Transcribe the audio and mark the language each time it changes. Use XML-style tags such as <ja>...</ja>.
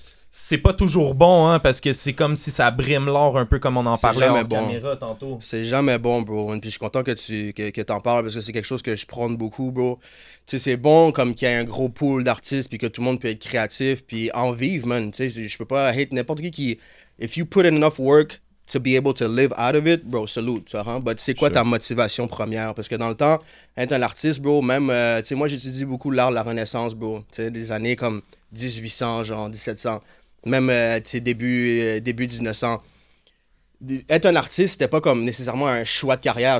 <fr>C'est pas toujours bon, hein, parce que c'est comme si ça brime l'or un peu comme on en parlait hors bon. Caméra tantôt. C'est jamais bon, bro. Puis je suis content que tu t'en parles parce que c'est quelque chose que je prône beaucoup, bro. Tu sais, c'est bon comme qu'il y ait un gros pool d'artistes puis que tout le monde peut être créatif puis en vivre, man. Tu sais, je peux pas hate n'importe qui.</fr> <en>If you put in enough work to be able to live out of it, bro, salute,</en> <fr>tu vois, hein? But c'est quoi ta motivation première? Parce que dans le temps, être un artiste, bro, même, tu sais, moi j'étudie beaucoup l'art de la Renaissance, bro. Tu sais, des années comme 1800, genre 1700. Même début 1900, être un artiste, c'était pas comme nécessairement un choix de carrière.</fr>